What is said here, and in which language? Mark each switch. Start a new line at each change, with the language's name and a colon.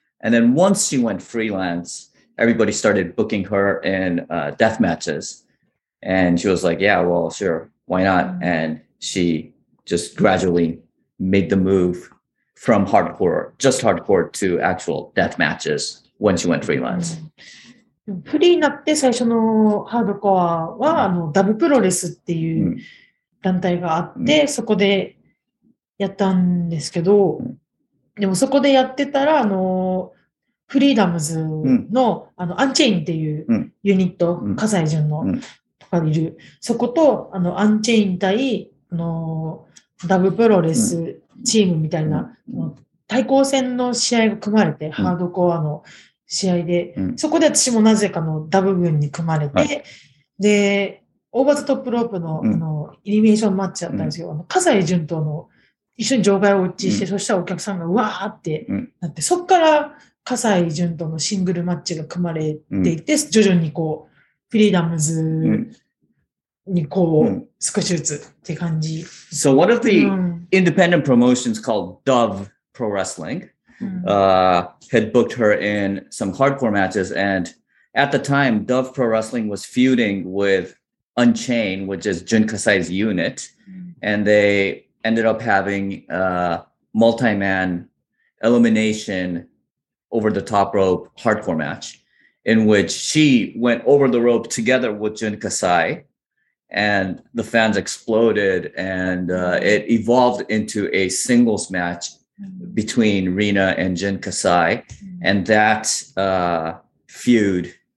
English: And then once she went freelance, everybody started booking her in death matches. And she was like, yeah, well, sure, why not? And she just gradually made the move from hardcore, just hardcore, to actual death matches when she went freelance.
Japanese: フリーになって最初のハードコアはダブプロレスっていう団体があって、そこでやったんですけど、でもそこでやってたら、フリーダムズの、アンチェインっていうユニット、葛西潤のとかいる、そこと、アンチェイン対、ダブプロレスチームみたいな、対抗戦の試合が組まれて、ハードコアの試合で、そこで私もなぜかのダブ軍に組まれて、で、オーバーザトップロープの、イリミネーションマッチだったんですけど、葛西潤との一緒に場外を打ちして、そしたらお客さんがうわーってなって、そこから葛西潤とのシングルマッチが組まれていって、徐々にこう、フリーダムズにこう、少しずつって感じ。
English: So one of the independent promotions called Dove Pro Wrestling, had booked her in some hardcore matches, and at the time, Dove Pro Wrestling was feuding with Unchained, which is Jun Kasai's unit, and they ended up having a multi-man elimination over the top rope hardcore match in which she went over the rope together with Jun Kasai, and the fans exploded, and it evolved into a singles match between Rina and Jun Kasai, and that feud